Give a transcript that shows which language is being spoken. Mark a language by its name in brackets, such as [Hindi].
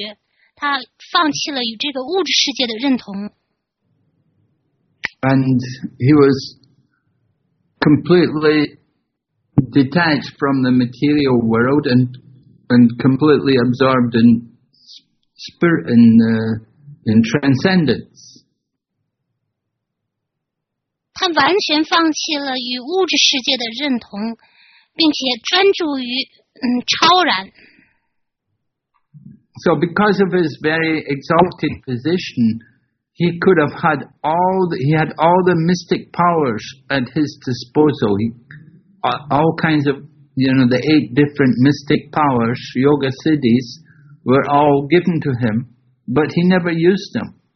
[Chinese] 我们还描述了他就是以avaduta的身份，他的漫游，他非常气绝，他放弃了与这个物质世界的认同。 [English] And he was completely detached from the material world and completely absorbed in spirit in transcendence. [Chinese] 他完全放弃了与物质世界的认同，并且专注于超然。 [English] So because of his very exalted position, he could have had all the mystic powers at his disposal. All kinds of, you know, the eight different mystic powers, yoga siddhis, were all given to him, but he never used them.